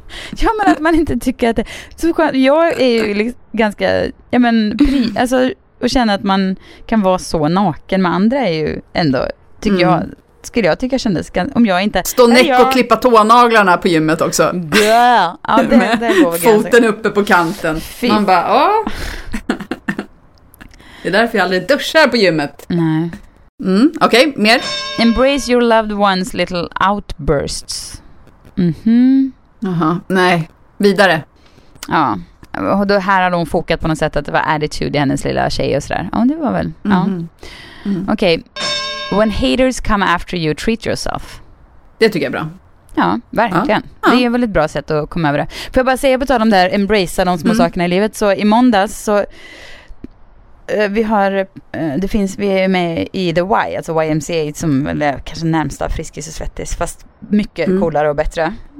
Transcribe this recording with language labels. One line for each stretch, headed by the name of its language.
Swedish: Ja, men att man inte tycker att det så skönt. Jag är ju liksom ganska, ja men, alltså, och känner att man kan vara så naken med andra är ju ändå, tycker jag. Skulle jag tycka kändes om jag inte stå näck och klippa tånaglarna på gymmet också. Ja, det foten uppe på kanten. Fy. Man bara, åh. Det är därför jag aldrig duschar på gymmet. Nej. Mm, okej, okay, mer.
English: Embrace your loved ones little outbursts.
Swedish: Aha, nej. Vidare. Ja. Och då här har hon fokat på något sätt att det var attitude i hennes lilla tjej och sådär. Ja, det var väl. Ja. Mm. Okej. Okay.
English: When haters come after you, treat yourself.
Swedish: Det tycker jag är bra. Ja, verkligen. Ja. Det är ett väldigt bra sätt att komma över det. Får jag bara säga på tal om det här, embracea de små sakerna i livet. Så i måndags så vi är med i The Y, alltså YMCA som väl är kanske närmsta Friskis och Svettis, fast mycket coolare och bättre.